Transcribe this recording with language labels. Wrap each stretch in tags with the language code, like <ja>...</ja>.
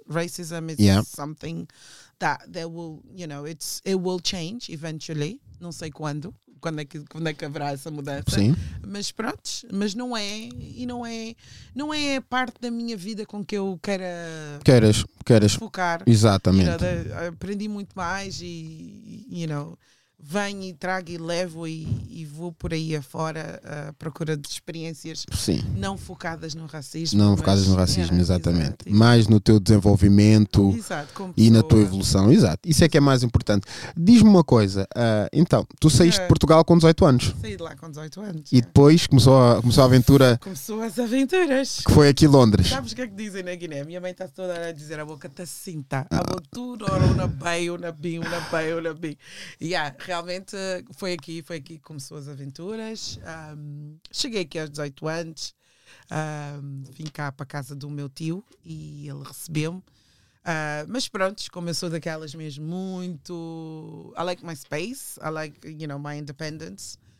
<en>Racism is something that will, you know, it will change eventually.</en> <pt>Não sei quando é que haverá essa mudança. Sim. Mas pronto, mas não é parte da minha vida com que eu queiras focar. Exatamente. Aprendi muito mais e, you know, venho e trago e levo e vou por aí afora à procura de experiências. Sim. Não focadas no racismo. Não focadas no racismo, exatamente. Exato. Mais no teu desenvolvimento. Exato, e na tua evolução. Exato. Isso é que é mais importante. Diz-me uma coisa. Então, tu saíste de Portugal com 18 anos. Saí de lá com 18 anos. E depois começou a aventura. Começou as aventuras. Que foi aqui Londres. Sabes o que é que dizem na Guiné? Minha mãe está toda a dizer, a boca está cinta. A boca ora na bem, ou na bem, ou na bem, ou na bem. Realmente foi aqui que começou as aventuras. Cheguei aqui aos 18 anos, vim cá para a casa do meu tio e ele recebeu-me. Mas pronto, como eu sou daquelas mesmo muito...</pt> <en>I like my space, I like, you know, my independence.</en>